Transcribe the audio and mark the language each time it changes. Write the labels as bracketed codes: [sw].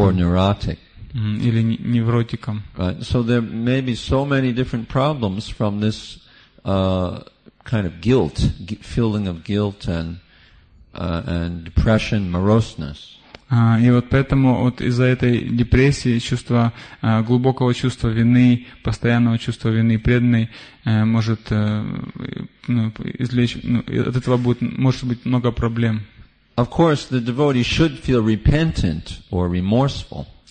[en] Or neurotic. [ru] Или невротиком. [en] Right. So there may be so many different problems from this kind of guilt, feeling of guilt and depression, moroseness. [ru] И вот поэтому вот из-за этой депрессии, чувства глубокого чувства вины, постоянного чувства вины, преданный может извлечь, от этого будет, может быть много проблем. [en] Of course, the devotee should feel repentant or remorseful.